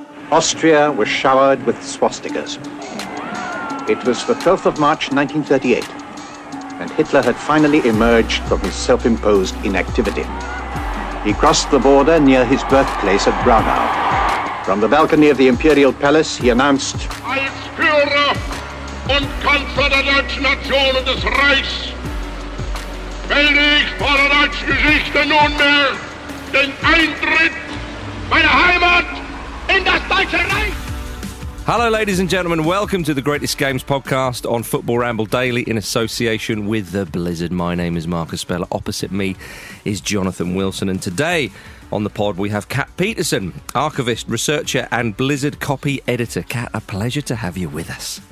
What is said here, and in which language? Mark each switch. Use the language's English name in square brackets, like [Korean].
[English] Austria was showered with swastikas. It was the 12th of March, 1938, and Hitler had finally emerged from his self-imposed inactivity. He crossed the border near his birthplace at Braunau. From the balcony of the Imperial Palace, he announced, [German] Als Führer und Kanzler der deutschen Nation und des Reichs melde ich vor der deutschen Geschichte nunmehr den Eintritt meiner Heimat in das Deutsche Reich! [English] Hello, ladies and gentlemen. Welcome to the Greatest Games podcast on Football Ramble Daily in association with The Blizzard. My name is Marcus Speller. Opposite me is Jonathan Wilson. And today on the pod, we have Kat Peterson, archivist, researcher and Blizzard copy editor. Kat, a pleasure to have you with us.